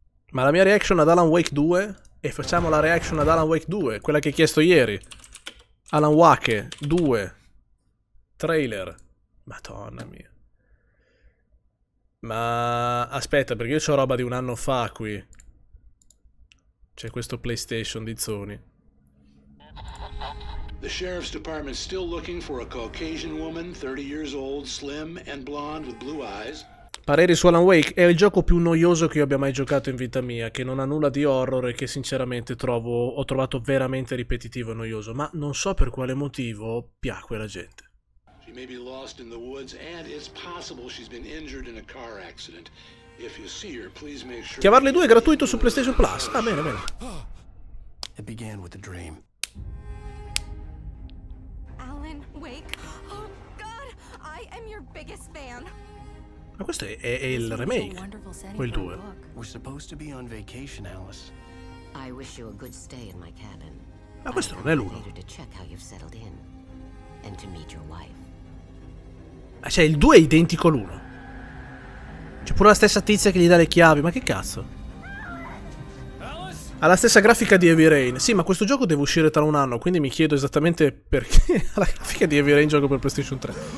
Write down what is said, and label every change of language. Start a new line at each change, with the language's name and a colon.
Italian: Ma la mia reaction ad Alan Wake 2? E facciamo la reaction ad Alan Wake 2, quella che hai chiesto ieri. Alan Wake 2. Trailer. Madonna mia. Ma aspetta, perché io c'ho roba di un anno fa qui. C'è questo PlayStation di Sony.
English: The sheriff's department is still looking for a Caucasian woman, 30 years old, slim and blonde with blue eyes.
Italian: Pareri su Alan Wake è il gioco più noioso che io abbia mai giocato in vita mia, che non ha nulla di horror e che sinceramente ho trovato veramente ripetitivo e noioso, ma non so per quale motivo piacque la gente.
English: She may be lost in the woods and it's possible she's been injured in a car accident. If you see her, please make sure.
Italian: Chiamarle due è gratuito su PlayStation Plus. Ah, bene, bene.
English: It began with a dream. Wake. Oh god, I am your biggest fan.
Italian: Ma questo è il remake, quel 2.
English: We're supposed to be on vacation, Alice. I wish you a good stay in my cabin.
Italian: Ma questo non è l'uno.
English: I'm here to check how you've settled in and to meet your wife.
Italian: Ma cioè il 2 è identico all'uno. C'è pure la stessa tizia che gli dà le chiavi, ma che cazzo? Ha la stessa grafica di Heavy Rain. Sì, ma questo gioco deve uscire tra un anno, quindi mi chiedo esattamente perché ha la grafica di Heavy Rain gioco per PlayStation 3.